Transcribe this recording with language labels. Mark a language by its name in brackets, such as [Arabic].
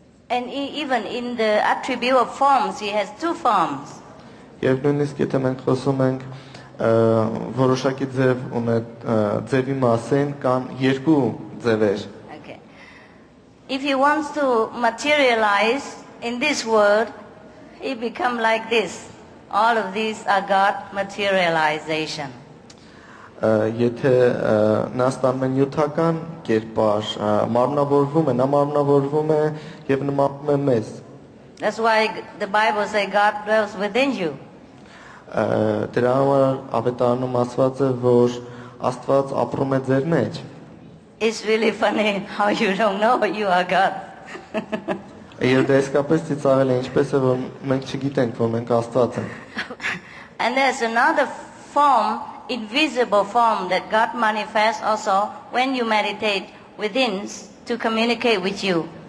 [English] And even in the attribute of forms, he has two forms. [Armenian] Եվ նույնիսկ եթե մենք խոսում ենք որոշակի ձև ձևի մասին, կան երկու ձևեր։ [English] If he wants to materialize in this world, he become like this. All of these are God materialization. [Armenian] Եթե նա ստանում է նյութական կերպար, մարմնավորվում է, նա մարմնավորվում է եւ նմանվում է մեզ. [English] That's why the Bible says God dwells within you. [Armenian] Դրա համար ավետարանում ասված է, որ Աստված ապրում է ձեր մեջ։ [English] It's really funny how you don't know you are God. [Armenian] Եթե դեսկապես ծիծաղել է, ինչպես է որ մենք չգիտենք, որ մենք Աստված ենք։ [English] And there's another form invisible form that God manifests also when you meditate within to communicate with you.